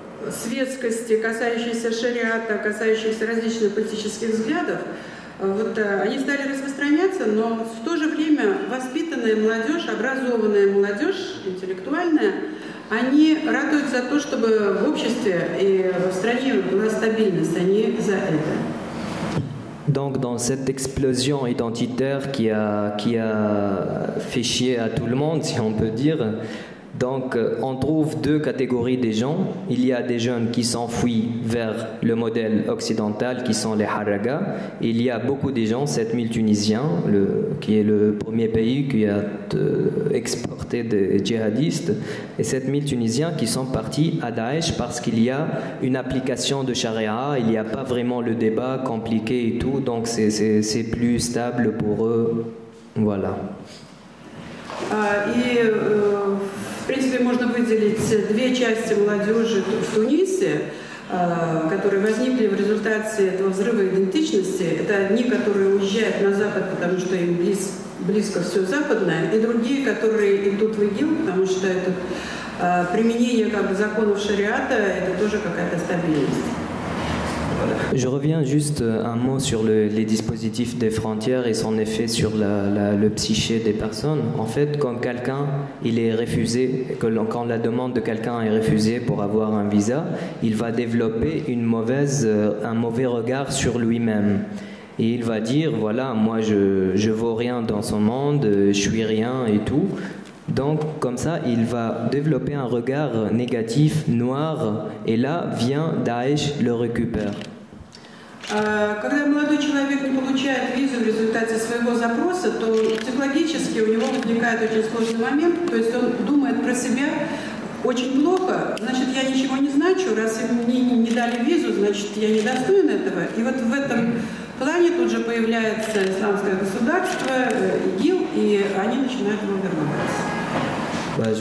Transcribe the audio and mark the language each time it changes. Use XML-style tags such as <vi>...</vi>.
<ru>светскости, касающиеся шариата, касающиеся различных политических взглядов, они стали распространяться, но в то же время воспитанная молодежь, образованная молодежь, интеллектуальная, они ратуют за то, чтобы в обществе и в стране была стабильность. Они за это.</ru> <fr>Donc, dans cette explosion identitaire qui a fait chier à tout le monde, si on peut dire, donc on trouve deux catégories de gens. Il y a des jeunes qui s'enfuient vers le modèle occidental, qui sont les Harraga. Il y a beaucoup de gens, 7000 Tunisiens, qui est le premier pays qui a exporté des djihadistes, et 7000 Tunisiens qui sont partis à Daesh parce qu'il y a une application de charia, il n'y a pas vraiment le débat compliqué et tout, donc c'est plus stable pour eux. Voilà.</fr> <ru>В принципе, можно выделить две части молодежи в Тунисе, которые возникли в результате этого взрыва идентичности. Это одни, которые уезжают на Запад, потому что им близко все западное, и другие, которые идут в ИГИЛ, потому что это применение как бы законов шариата, это тоже какая-то стабильность.</ru> <fr>Je reviens juste un mot sur les dispositifs des frontières et son effet sur le psyché des personnes. En fait, quand quelqu'un il est refusé, quand la demande de quelqu'un est refusée pour avoir un visa, il va développer un mauvais regard sur lui-même. Et il va dire, voilà, moi je vaux rien dans ce monde, je suis rien et tout. Donc, comme ça, il va développer un regard négatif, noir, et là, vient Daesh, le récupère. Quand un jeune homme ne reçoit pas de visa au résultat de son demande, psychologiquement, il a un très difficile moment, c'est-à-dire qu'il pense à lui-même très mal, donc je ne sais rien, si ils ne m'ont pas donné de visa, donc je ne suis pas digne de ça.</fr> <ru>Et вот в этом плане тут же появляется исламское государство, ИГИЛ, и они начинают его вербовать.</ru>